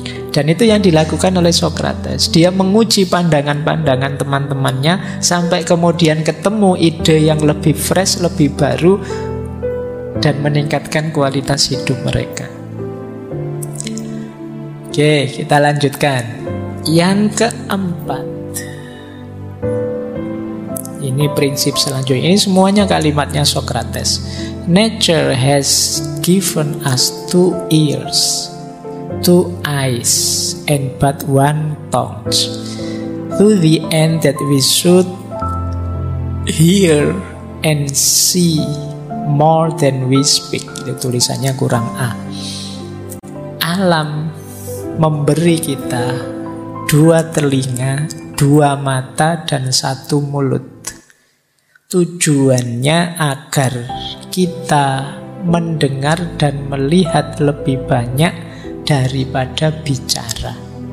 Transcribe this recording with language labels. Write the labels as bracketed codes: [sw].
[id] Dan itu yang dilakukan oleh Socrates. Dia menguji pandangan-pandangan teman-temannya sampai kemudian ketemu ide yang lebih fresh, lebih baru, dan meningkatkan kualitas hidup mereka. Oke, kita lanjutkan. Yang keempat, ini prinsip selanjutnya. Ini semuanya kalimatnya Socrates. [en] Nature has given us two ears, two eyes, and but one tongue, to the end that we should hear and see more than we speak. [id] Itu tulisannya kurang A. Alam memberi kita dua telinga, dua mata, dan satu mulut. Tujuannya agar kita mendengar dan melihat lebih banyak daripada bicara.